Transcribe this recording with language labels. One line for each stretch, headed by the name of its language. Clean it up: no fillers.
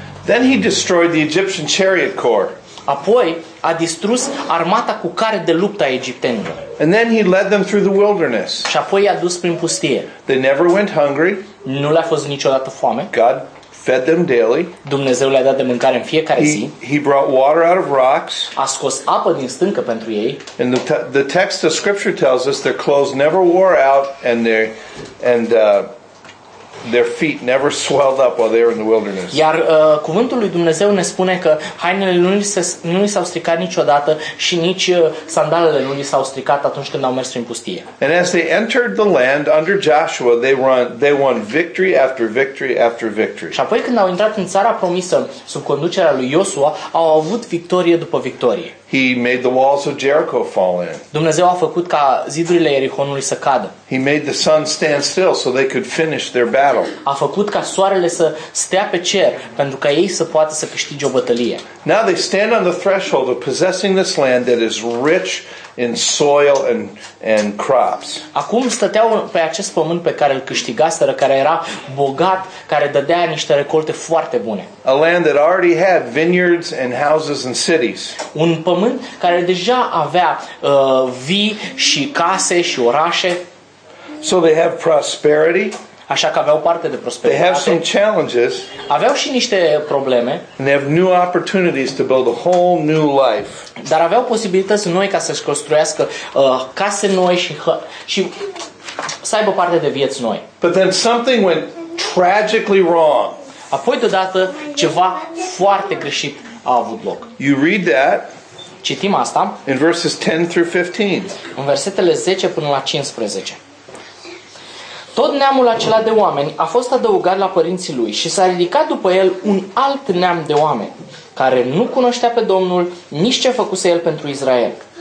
English: Then he destroyed the Egyptian chariot corps.
Romanian: Apoi a distrus armata cu care de luptă a egiptenilor.
English: And then he led them through the wilderness.
Romanian: Și apoi i-a dus prin pustie.
English: They never went hungry.
Romanian: Nu le-a fost niciodată foame.
English: God fed them daily.
Romanian: Dumnezeu le-a dat de mâncare în fiecare zi.
English: He brought water out of rocks.
Romanian: A scos apă din stâncă pentru ei.
English: And the text of scripture tells us their clothes never wore out and their feet never swelled up while they were in the wilderness.
Romanian: Iar cuvântul lui Dumnezeu ne spune că hainele nu li s-au stricat niciodată și nici sandalele nu li s-au stricat atunci când au mers prin pustie.
English: And as they entered the land under Joshua, they won victory after victory after victory.
Romanian: Și apoi când au intrat în țara promisă sub conducerea lui Iosua, au avut victorie după victorie.
English: He made the walls of Jericho fall in.
Romanian: Dumnezeu a făcut ca zidurile Ierihonului să cadă.
English: He made the sun stand still so they could finish their battle.
Romanian: A făcut ca soarele să stea pe cer pentru ca ei să poată să câștige o bătălie.
English: Now they stand on the threshold of possessing this land that is rich in soil and crops.
Romanian: Acum stăteau pe acest pământ pe care îl câștigaseră, care era bogat, care dădea niște recolte foarte bune.
English: A land that already had vineyards and houses and cities.
Romanian: Un pământ care deja avea vii și case și orașe.
English: So they have prosperity.
Romanian: Așa că aveau parte de prosperitate.
English: They have some challenges.
Romanian: Aveau și niște probleme.
English: And they have new opportunities to build a whole new life.
Romanian: Dar aveau posibilități noi ca să-și construiască case noi și să aibă parte de vieți noi.
English: But then something went tragically wrong.
Romanian: Apoi deodată ceva foarte greșit a avut loc.
English: You read that.
Romanian: Citim asta.
English: In verses 10 through 15.
Romanian: În versetele 10 până la 15. Tot neamul acela de oameni a fost adăugat la părinții lui și s-a ridicat după el un alt neam de oameni, care nu cunoștea pe Domnul, nici ce făcuse el pentru Israel.